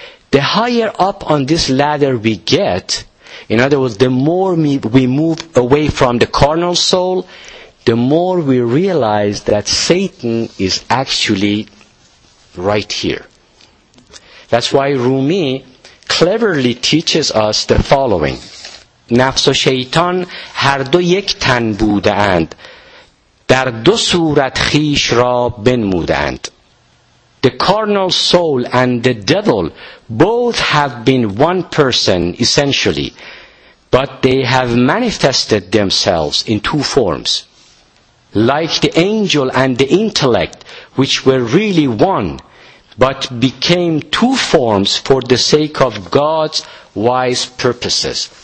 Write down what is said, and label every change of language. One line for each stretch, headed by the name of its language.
English: The higher up on this ladder we get, in other words, the more we move away from the carnal soul, the more we realize that Satan is actually right here. That's why Rumi cleverly teaches us the following.
Persian: نفس و شیطان هر دو یک تن بودند در دو صورت خیش را بنمودند.
English: The carnal soul and the devil both have been one person essentially, but they have manifested themselves in two forms. Like the angel and the intellect, which were really one, but became two forms for the sake of God's wise purposes.